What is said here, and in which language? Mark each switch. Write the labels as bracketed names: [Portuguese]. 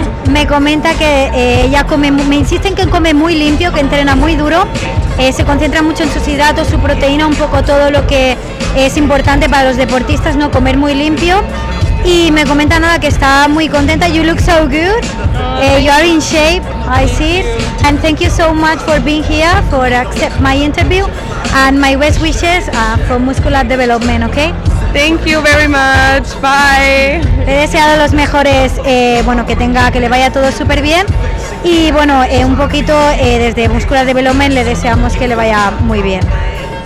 [Spanish] Me comenta que ella come, me insisten que come muy limpio, que entrena muy duro, se concentra mucho en sus hidratos, su proteína, un poco todo lo que es importante para los deportistas, no comer muy limpio. Y me comenta nada que está muy contenta. [English] You look so good. You are in shape. I see. And thank you so much for being here, for accept my interview, and my best wishes for Muscular Development. Okay. Thank you very much. Bye. [Spanish] Le he deseado los mejores, bueno, que tenga, que le vaya todo súper bien. Y bueno, un poquito desde Muscular Development le deseamos que le vaya muy bien.